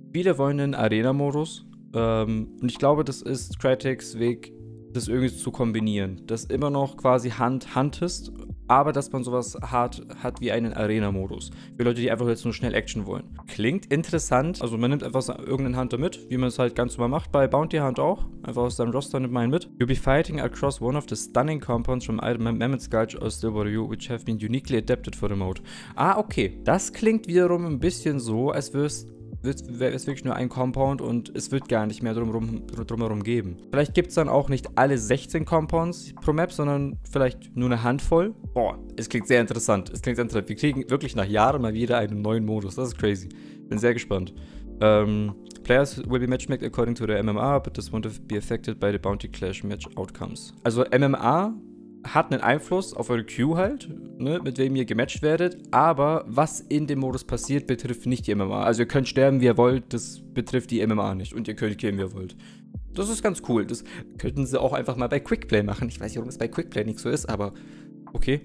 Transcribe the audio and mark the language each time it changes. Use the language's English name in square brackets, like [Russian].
[German] Viele wollen einen Arena-Modus. Und ich glaube, das ist Crytek's Weg, das irgendwie zu kombinieren. Dass immer noch quasi Hand ist, aber dass man sowas hart hat wie einen Arena-Modus. Für Leute, die einfach jetzt nur schnell Action wollen. Klingt interessant. Also man nimmt einfach irgendeinen Hunter mit, wie man es halt ganz normal macht. Bei Bounty Hunt auch. Einfach aus seinem Roster nimmt man einen mit. [English] You'll be fighting across one of the stunning compounds from either Mammoth's Gulch or Stillwater U, which have been uniquely adapted for the mode. Ah, okay. [German] Das klingt wiederum ein bisschen so, als wirst du... Wäre es wirklich nur ein Compound und es wird gar nicht mehr drumherum geben. Vielleicht gibt es dann auch nicht alle 16 Compounds pro Map, sondern vielleicht nur eine Handvoll. Boah, es klingt sehr interessant. Es klingt interessant. Wir kriegen wirklich nach Jahren mal wieder einen neuen Modus. Das ist crazy. Bin sehr gespannt. [English] Players will be matchmaked according to their MMR, but this won't be affected by the Bounty Clash Match Outcomes. [German] Also MMR hat einen Einfluss auf eure Queue halt, ne, mit wem ihr gematcht werdet, aber was in dem Modus passiert, betrifft nicht die MMA. Also ihr könnt sterben, wie ihr wollt, das betrifft die MMA nicht und ihr könnt gehen, wie ihr wollt. Das ist ganz cool, das könnten sie auch einfach mal bei Quickplay machen. Ich weiß nicht, warum es bei Quickplay nicht so ist, aber okay.